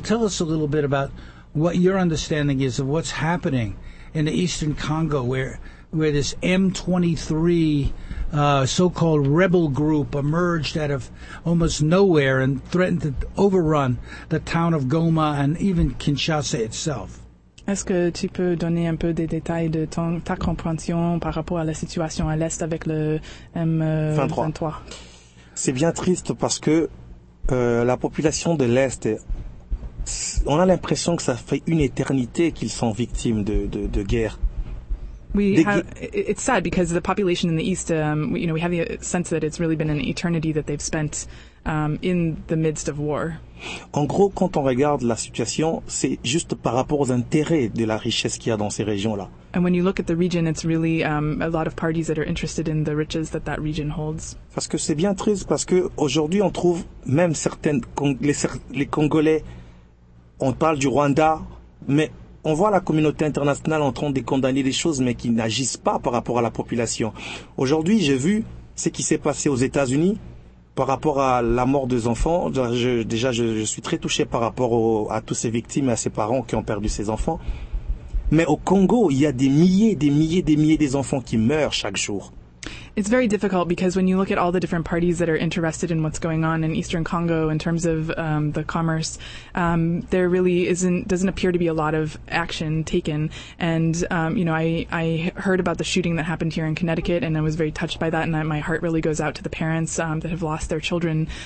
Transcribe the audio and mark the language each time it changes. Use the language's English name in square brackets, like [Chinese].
[English] Tell us a little bit about what your understanding is of what's happening in the Eastern Congo, where this M23 so-called rebel group emerged out of almost nowhere and threatened to overrun the town of Goma and even Kinshasa itself. [French] Est-ce que tu peux donner un peu des détails de ta compréhension par rapport à la situation à l'Est avec le M23? C'est bien triste parce que la population de l'Est, on a l'impression que ça fait une éternité qu'ils sont victimes de guerre. [English] It's sad because the population in the East, you know, we have the sense that it's really been an eternity that they've spent in the midst of war. [French] En gros, quand on regarde la situation, c'est juste par rapport aux intérêts de la richesse qu'il y a dans ces régions-là. [English] And when you look at the region, it's really a lot of parties that are interested in the riches that that region holds. [French] Parce que c'est bien triste parce que aujourd'hui, on trouve même certaines les Congolais. On parle du Rwanda, mais on voit la communauté internationale en train de condamner les choses, mais qui n'agissent pas par rapport à la population. Aujourd'hui, j'ai vu ce qui s'est passé aux États-Unis par rapport à la mort des enfants. Je suis très touché par rapport à toutes ces victimes et à ces parents qui ont perdu ces enfants. Mais au Congo, il y a des milliers des enfants qui meurent chaque jour. [English] It's very difficult because when you look at all the different parties that are interested in what's going on in Eastern Congo in terms of the commerce, there really doesn't appear to be a lot of action taken. And, you know, I heard about the shooting that happened here in Connecticut, and I was very touched by that, and my heart really goes out to the parents that have lost their children.